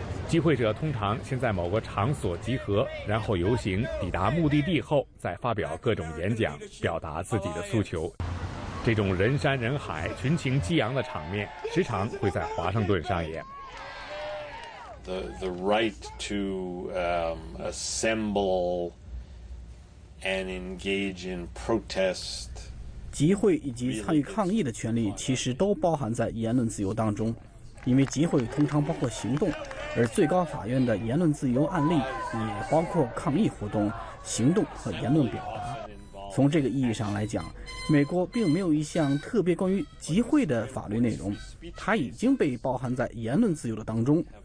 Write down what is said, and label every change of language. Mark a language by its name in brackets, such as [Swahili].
[Chinese] 集会者通常先在某个场所集合，然后游行抵达目的地后再发表各种演讲，表达自己的诉求。这种人山人海、群情激昂的场面时常会在华盛顿上演。 [English] The right to assemble and engage in protest. [Chinese] 集会以及参与抗议的权利其实都包含在言论自由当中，因为集会通常包括行动，而最高法院的言论自由案例也包括抗议活动、行动和言论表达。从这个意义上来讲，美国并没有一项特别关于集会的法律内容，它已经被包含在言论自由的当中。